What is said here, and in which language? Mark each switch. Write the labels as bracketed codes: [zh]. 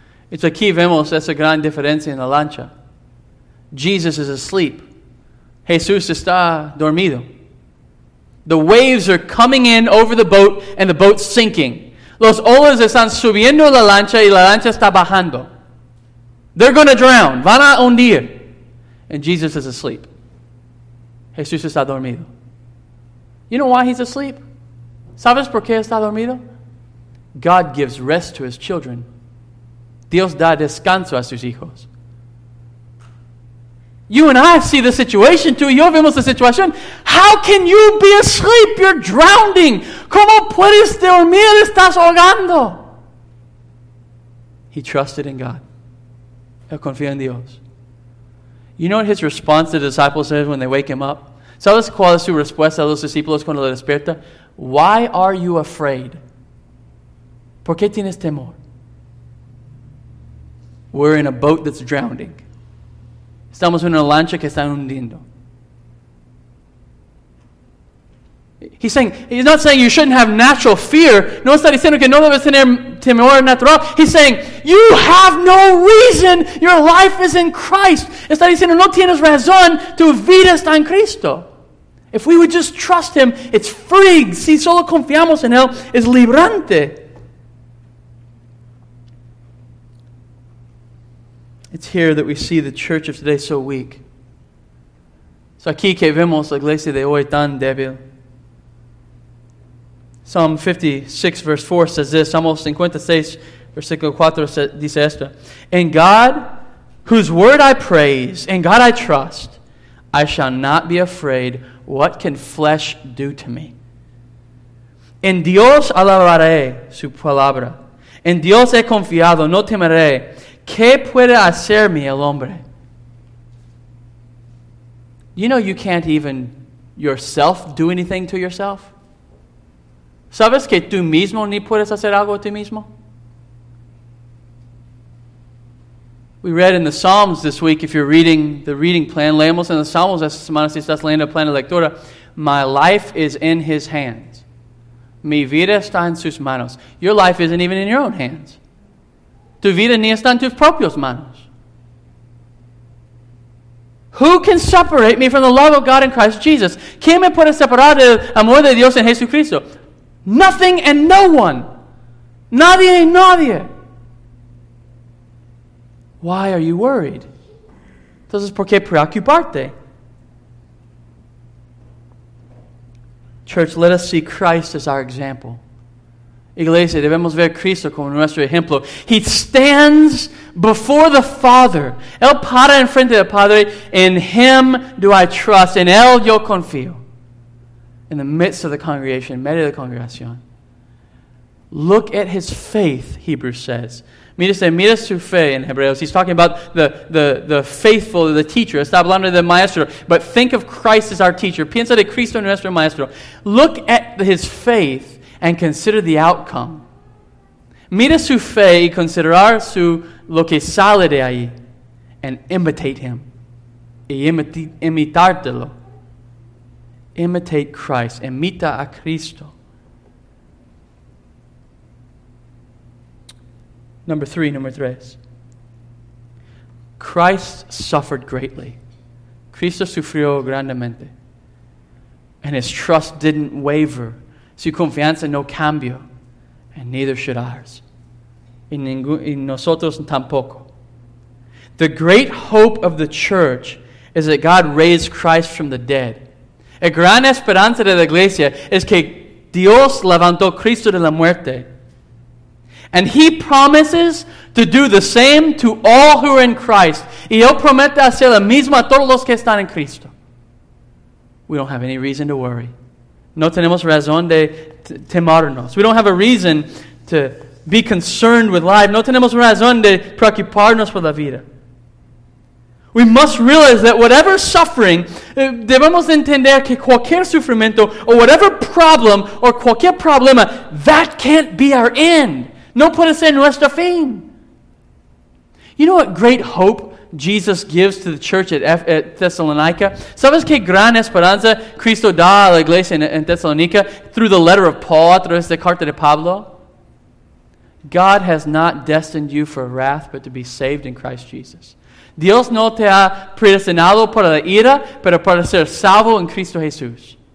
[es] It's aquí vemos esa gran diferencia en la lancha. [en] Jesus is asleep. [es] Jesús está dormido. [en] The waves are coming in over the boat and the boat's sinking. [es] Los olas están subiendo la lancha y la lancha está bajando. [en] They're going to drown. [es] Van a hundir. [en] And Jesus is asleep. [es] Jesús está dormido. [en] You know why he's asleep? [es] ¿Sabes por qué está dormido? [en] God gives rest to his children. [es] Dios da descanso a sus hijos. [en] You and I see the situation too. [es] Yo vemos la situación. [en] How can you be asleep? You're drowning. [es] ¿Cómo puedes dormir? Estás ahogando. [en] He trusted in God. [es] Él confía en Dios. [en] You know what his response to the disciples is when they wake him up? [es] ¿Sabes cuál es su respuesta a los discípulos cuando le despierta? [en] Why are you afraid? [es] ¿Por qué tienes temor? [en] We're in a boat that's drowning. [es] Estamos en una lancha que está hundiendo. [en] He's not saying you shouldn't have natural fear. [es] No está diciendo que no debes tener temor natural. [en] He's saying, you have no reason. Your life is in Christ. [es] Está diciendo, no tienes razón. Tu vida está en Cristo. [en] If we would just trust Him, it's free. [es] Si solo confiamos en Él, es librante. [en] It's here that we see the church of today so weak. [es] Es aquí que vemos la iglesia de hoy tan débil. [en] Psalm 56, verse 4 says this. Psalm 56, [es] versículo 4 dice esto. [en] In God, whose word I praise, in God I trust, I shall not be afraid. What can flesh do to me? [es] En Dios alabaré su palabra. En Dios he confiado, no temeré. ¿Qué puede hacerme el hombre? [en] You know you can't even yourself do anything to yourself. [es] ¿Sabes que tú mismo ni puedes hacer algo a ti mismo? [en] We read in the Psalms this week, if you're reading the reading plan, [es] leemos en los Salmos esta semana, si estás leyendo el plan de lectura, [en] my life is in His hands. [es] Mi vida está en sus manos. [en] Your life isn't even in your own hands. [es] Tu vida ni está en tus propios manos. [en] Who can separate me from the love of God in Christ Jesus? [es] ¿Quién me puede separar del amor de Dios en Jesucristo? [en] Nothing and no one. [es] Nadie y nadie. [en] Why are you worried? [es] Entonces, ¿por qué preocuparte? [en] Church, let us see Christ as our example. [es] Iglesia, debemos ver a Cristo como nuestro ejemplo. [en] He stands before the Father. [es] Él para en frente del Padre. [en] In Him do I trust. [es] En Él yo confío. [en] In the midst of the congregation, [es] en medio de la congregación. [en] Look at His faith, Hebrews says. [es] Mira su fe in Hebreos. [en] He's talking about the faithful, the teacher. [es] Está hablando del maestro. [en] But think of Christ as our teacher. [es] Piensa de Cristo nuestro maestro. [en] Look at His faith and consider the outcome. [es] Mira su fe y considerar su lo que sale de ahí. [en] And imitate Him. [es] Imitártelo. [en] Imitate Christ. [es] Imita a Cristo. [en] Number three. Christ suffered greatly. [es] Cristo sufrió grandemente. [en] And His trust didn't waver. [es] Su confianza no cambió. [en] And neither should ours. [es] Y nosotros tampoco. [en] The great hope of the church is that God raised Christ from the dead. [es] La gran esperanza de la iglesia es que Dios levantó Cristo de la muerte. [en] And He promises to do the same to all who are in Christ. [es] Y Él promete hacer lo mismo a todos los que están en Cristo. [en] We don't have any reason to worry. [es] No tenemos razón de temernos. [en] We don't have a reason to be concerned with life. [es] No tenemos razón de preocuparnos por la vida. [en] We must realize that whatever suffering, [es] debemos entender que cualquier sufrimiento [en] or whatever problem or [es] cualquier problema, [en] that can't be our end. [es] No puede ser nuestro fin. [en] You know what great hope Jesus gives to the church at Thessalonica? [es] ¿Sabes qué gran esperanza Cristo da a la iglesia en Thessalonica [en] through the letter of Paul, [es] a través de la carta de Pablo? [en] God has not destined you for wrath, but to be saved in Christ Jesus. [es] Dios no te ha predestinado para la ira, pero para ser salvo en Cristo Jesús.